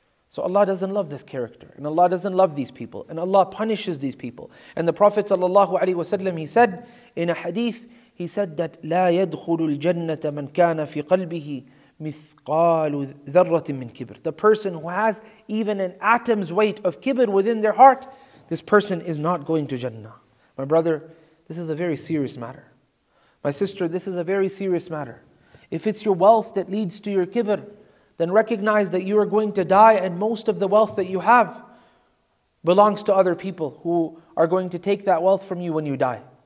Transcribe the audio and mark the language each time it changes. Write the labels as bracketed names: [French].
[English] So Allah doesn't love this character, and Allah doesn't love these people, and Allah punishes these people. And the Prophet ﷺ, he said in a hadith, he said that [Arabic] لَا يَدْخُلُ الْجَنَّةَ مَنْ كَانَ فِي قَلْبِهِ مِثْقَالُ ذَرَّةٍ مِّنْ كِبْرٍ. [English] The person who has even an atom's weight of kibr within their heart, this person is not going to Jannah. My brother, this is a very serious matter. My sister, this is a very serious matter. If it's your wealth that leads to your kibr, then recognize that you are going to die, and most of the wealth that you have belongs to other people who are going to take that wealth from you when you die.